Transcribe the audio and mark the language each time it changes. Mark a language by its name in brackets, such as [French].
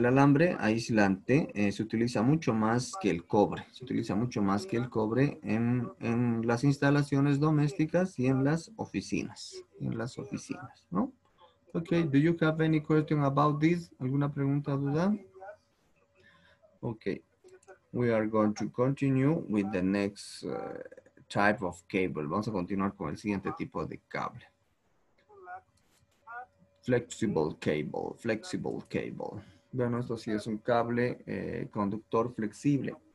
[Spanish] El alambre aislante se utiliza mucho más que el cobre. Se utiliza mucho más que el cobre en las instalaciones domésticas y en las oficinas. En las oficinas, ¿no? [English] Ok, do you have any question about this? [Spanish] ¿Alguna pregunta o duda? [English] Ok, we are going to continue with the next type of cable. [Spanish] Vamos a continuar con el siguiente tipo de cable. [English] Flexible cable. [Spanish] Bueno, esto sí es un cable conductor flexible.